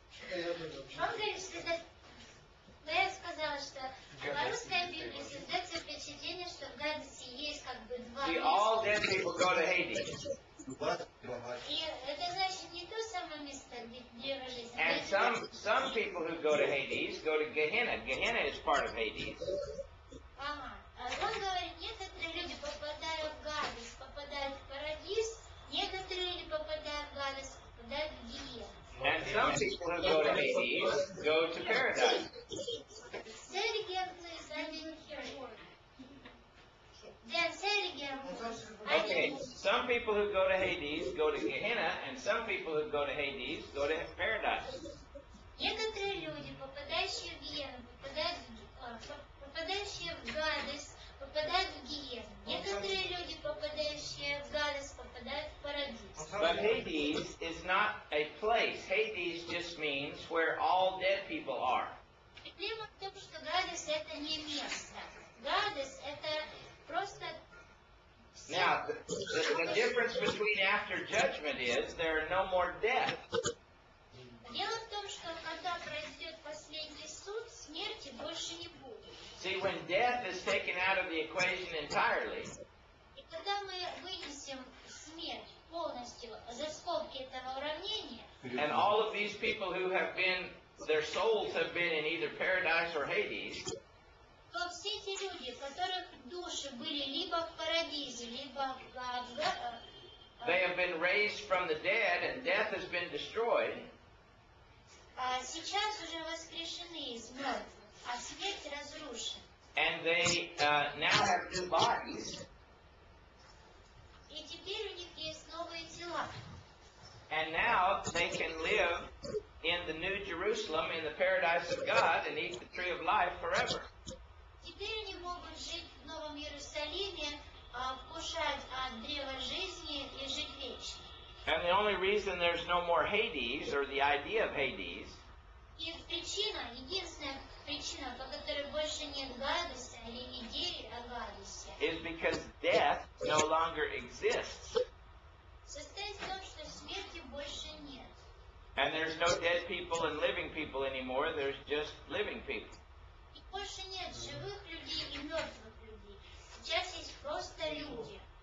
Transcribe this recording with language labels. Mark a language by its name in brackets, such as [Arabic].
[Russian] Я сказала, что русская Библия создается впечатление, что в Гадесе есть как бы два места. [English] All dead people go to Hades. [Russian] И это значит не то самое место, где вы жили. [English] And some people who go to Hades go to Gehenna. Gehenna is part of Hades. [Russian] Ага. Он говорит, некоторые люди попадают в Гадес, попадают в Парадис, некоторые люди попадают в Гадес, попадают в Гиена. [English] And some people who go to Hades go to paradise. Say it again, please. I didn't hear it. Yeah, say it again. Okay. Some people who go to Hades go to Gehenna, and some people who go to Hades go to paradise. [Russian] Некоторые люди, попадающие в Гиену, попадающие в Гадес, попадают в Гиену. Некоторые люди, попадающие в Гадес, попадают в Парадис. [English] But Hades is not a place. Hades just means where all dead people are. [Russian] Проблема в том, что Гадес – это не место. Гадес – это просто… [English] Now, the difference between after judgment is there are no more death. [Russian] Дело в том, что когда произойдет последний суд, смерти больше не будет. [English] See, when death is taken out of the equation entirely, [Russian] и когда мы вынесем смерть полностью за скобки этого уравнения, [English] and all of these people who have been, their souls have been in either paradise or Hades, [Russian] то все эти люди, которых души были либо в парадизе, либо в [English] they have been raised from the dead and death has been destroyed, [Russian] сейчас уже воскрешены из мертвых. А смерть разрушена. [English] And they now have new bodies. [Russian] И теперь у них есть новые тела. [English] And now they can live in the new Jerusalem, in the paradise of God, and eat the tree of life forever. [Russian] Теперь они могут жить в новом Иерусалиме, вкушать от древа жизни и жить вечно. [English] And the only reason there's no more Hades, or the idea of Hades, [Russian] и причина, единственная причина, по которой больше нет Гадеса или идеи о Гадесе, [English] is because death no longer exists. [Russian] Состоит в том, что смерти больше нет. [English] And there's no dead people and living people anymore, there's just living people. [Russian] И больше нет живых людей и мертвых людей. Сейчас есть просто люди.